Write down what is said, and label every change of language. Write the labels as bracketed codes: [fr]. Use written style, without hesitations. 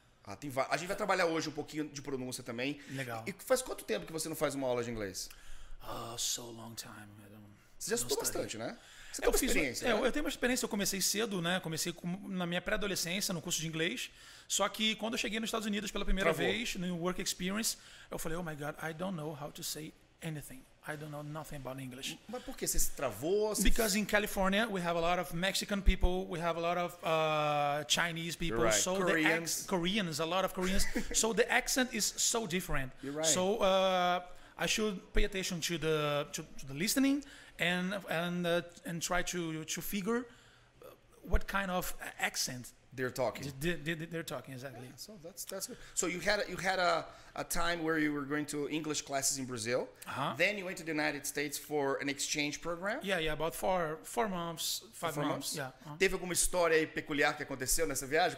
[pt] Ah, tem a gente vai trabalhar hoje um pouquinho de pronúncia também. Legal. E faz quanto tempo que você não faz uma aula de inglês? [en] Oh, so long time. [pt] Você já estudou bastante, né? Você tem uma experiência, né? Eu tenho uma experiência, eu comecei cedo, né? Comecei na minha pré-adolescência, no curso de inglês. Só que quando eu cheguei nos Estados Unidos pela primeira Travou. Vez, no Work Experience, eu falei, [en] oh my God, I don't know how to say anything. I don't know nothing about English. [pt] Mas por que você se travou? [en] Because in California we have a lot of Mexican people, we have a lot of Chinese people, right. So Koreans. Koreans, a lot of Koreans. So the accent is so different. You're right. So I should pay attention to the to the listening and try to figure what kind of accent they're talking. They're talking, exactly. Yeah, so that's good. So you had a time where you were going to English classes in Brazil. Uh-huh. Then you went to the United States for an exchange program. Yeah, about five months. Yeah. Uh-huh. [pt] Teve alguma história peculiar que aconteceu nessa viagem?